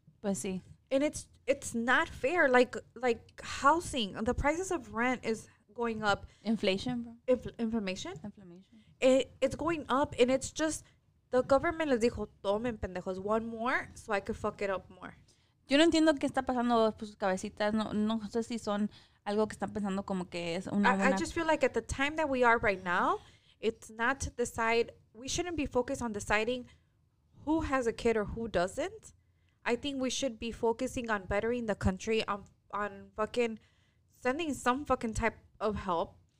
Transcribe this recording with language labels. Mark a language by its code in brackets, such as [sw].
[es] Pues sí. [en] And it's not fair. Like housing, the prices of rent is going up. Inflation, bro. Inflation. It's going up, and it's just the government [es] les dijo, tomen, pendejos, [en] one more, so I could fuck it up more. [es] Yo no entiendo qué está pasando por sus cabecitas. No sé si son algo que están pensando como que es una. [en] I just feel like at the time that we are right now, it's not to decide. We shouldn't be focused on deciding who has a kid or who doesn't. I think we should be focusing on bettering the country, on fucking sending some fucking type of help.